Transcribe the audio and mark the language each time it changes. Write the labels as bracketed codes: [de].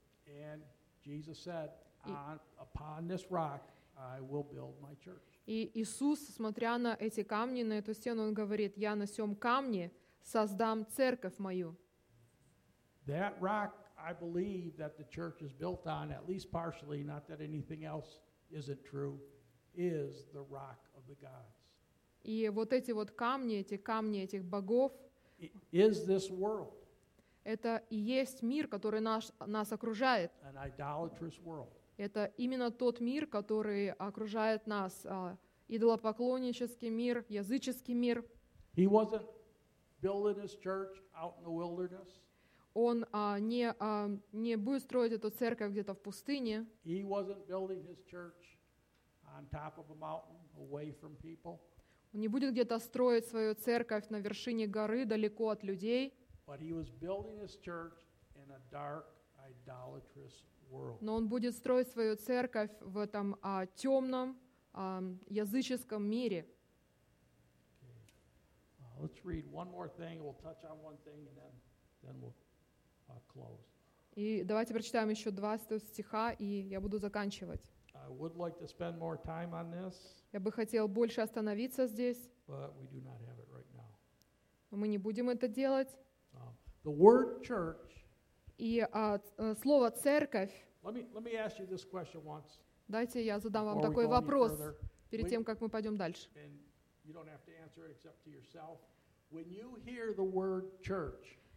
[ru] И Иисус, смотря на эти камни, на эту стену, Он говорит, «Я на сём камне создам церковь мою». [en] That rock, I believe, that the church is built on, at least partially, not that anything else isn't true, is the rock of the gods. [ru] И вот эти вот камни, эти камни этих богов, [en] is this world. [ru] Это и есть мир, который нас окружает. [en] An idolatrous world. [ru] Это именно тот мир, который окружает нас, идолопоклоннический мир, языческий мир. [en] He wasn't building his church out in the wilderness. [ru] Он не будет строить эту церковь где-то в пустыне. [en] He wasn't building his church on top of a mountain, away from people. [ru] Он не будет где-то строить свою церковь на вершине горы, далеко от людей. [en] But he was building his church in a dark, idolatrous world. [ru] Но он будет строить свою церковь в этом темном языческом мире. [en] Okay. Let's read one more thing. We'll touch on one thing and then we'll close. [ru] И давайте прочитаем еще два стиха, и я буду заканчивать. [en] I would like to spend more time on this. [ru] Я бы хотел больше остановиться здесь. [en] But we do not have it right now. [ru] Но мы не будем это делать. [en] The word church. [ru] И слово церковь. [en] Let me ask you this question once. [ru] Дайте я задам вам такой вопрос перед тем, как мы пойдем дальше. [en] And you don't have to answer it except to yourself. When you hear the word church.